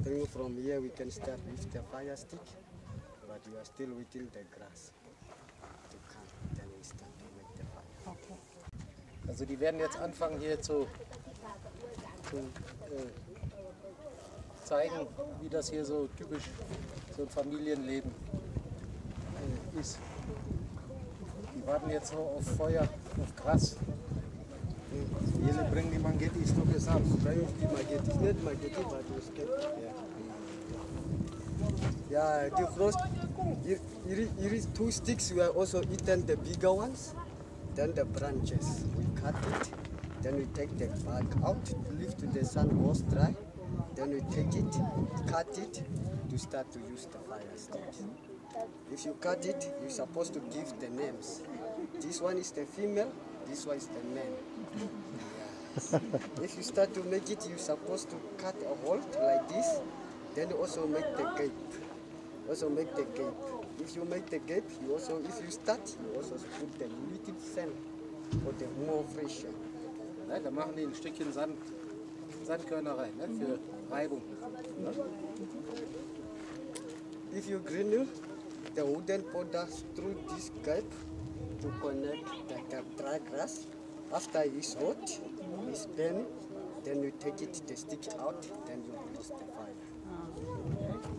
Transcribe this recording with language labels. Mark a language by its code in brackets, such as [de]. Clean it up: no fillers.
[en] From here we can start with the fire stick, but you are still within the grass to come, then we start to make the fire. Okay. [de] Also die werden jetzt anfangen hier zu zeigen, wie das hier so typisch so ein Familienleben ist. Die warten jetzt nur auf Feuer, auf Gras. Hier bringen die Mangetti, ist doch gesagt, drei auf die Mangetti, nicht Mangetti, aber du hast. Ja, die Frost, hier ist [en] two sticks, we are also eaten the bigger ones, then the branches, we cut it, then we take the bark out, leave to the sun goes dry, then we take it, cut it, to start to use the fire sticks. If you cut it, you're supposed to give the names. This one is the female, this one is the man. If you start to make it, you're supposed to cut a hole like this, then also make the gate. Also make the gate. If you make the gate, you also, if you start, you also put the little sand for the more fresh. [de] Ja, da machen die ein Stückchen Sand, Sandkörner rein, ne, für Reibung. Ja. [en] If you grind the wooden powder through this gap to connect the dry grass. After it's hot, it's burning, then you take it, the stick out, then you use the fire.